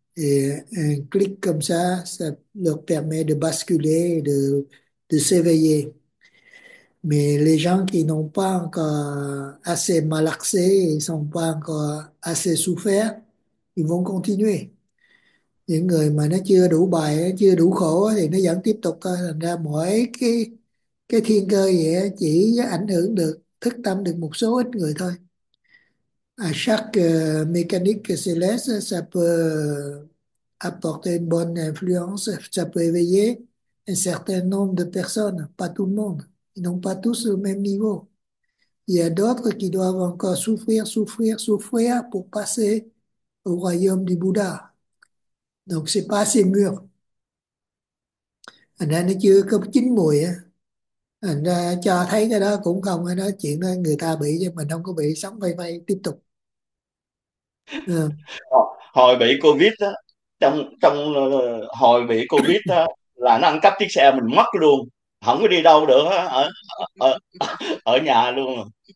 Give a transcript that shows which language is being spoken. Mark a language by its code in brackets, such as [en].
[fr] Et un clic comme ça leur permet de basculer, de s'éveiller. Mais les gens qui n'ont pas encore assez malaxé, ils sont pas encore assez souffert, ils vont continuer. [vi] Những người mà nó chưa đủ bài, chưa đủ khổ thì nó vẫn tiếp tục. Thành ra mỗi cái thiên cơ vậy chỉ ảnh hưởng được, thức tâm được một số ít người thôi. [fr] À, chaque mécanique céleste, ça peut apporter une bonne influence, ça peut éveiller un certain nombre de personnes, pas tout le monde. Ils n'ont pas tous le même niveau. Il y a d'autres qui doivent encore souffrir, souffrir, souffrir pour passer au royaume du Bouddha. Donc, c'est pas assez mûr. [vi] Anh ra nó chưa có chín mùi á. Anh ra cho thấy cái đó cũng không. Nói chuyện đó người ta bị chứ mình không có bị, sống vây vây tiếp tục. Hồi bị Covid đó, trong trong hồi bị Covid đó, là nó ăn cắp chiếc xe mình mất luôn, không có đi đâu được, ở nhà luôn.